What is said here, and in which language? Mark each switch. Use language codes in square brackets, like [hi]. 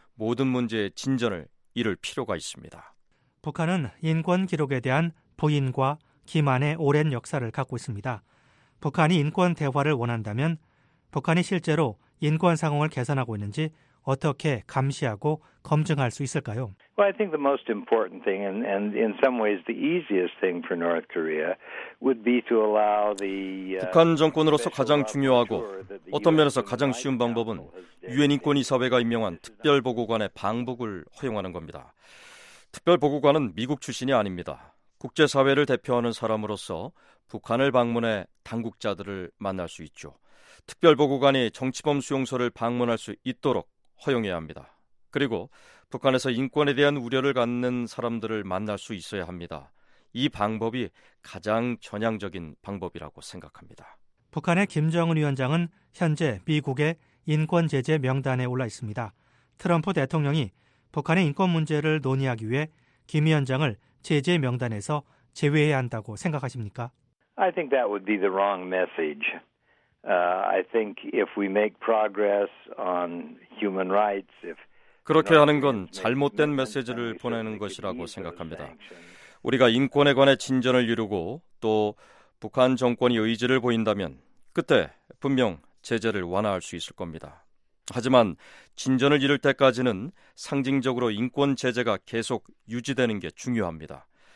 [ko] 모든 문제의 진전을 이룰 필요가 있습니다. 북한은 인권 기록에 대한 부인과 기만의 오랜 역사를 갖고 있습니다. 북한이 인권 대화를 원한다면 북한이 실제로 인권 상황을 개선하고 있는지 어떻게 감시하고 검증할 수 있을까요? [en] Well, I think the most important thing and in some ways the easiest thing for North Korea would be to allow the [ko] 북한 정권으로서 가장 중요하고 어떤 면에서 가장 쉬운 방법은 유엔 인권이사회가 임명한 특별 보고관의 방북을 허용하는 겁니다. 특별 보고관은 미국 출신이 아닙니다. 국제 사회를 대표하는 사람으로서 북한을 방문해 당국자들을 만날 수 있죠. 특별 보고관이 정치범 수용소를 방문할 수 있도록 허용해야 합니다. 그리고 북한에서 인권에 대한 우려를 갖는 사람들을 만날 수 있어야 합니다. 이 방법이 가장 전향적인 방법이라고 생각합니다. 북한의 김정은 위원장은 현재 미국의 인권 제재 명단에 올라 있습니다. 트럼프 대통령이 북한의 인권 문제를 논의하기 위해 김 위원장을 제재 명단에서 제외해야 한다고 생각하십니까? [en] I think that would be the wrong message. I think if we make progress on human rights, if [ko] 그렇게 하는 건 잘못된 메시지를 보내는 것이라고 생각합니다. 우리가 인권에 관해 진전을 이루고 또 북한 정권이 의지를 보인다면 그때 분명 제재를 완화할 수 있을 겁니다. 하지만 진전을 이룰 때까지는 상징적으로 인권 제재가 계속 유지되는 게 중요합니다.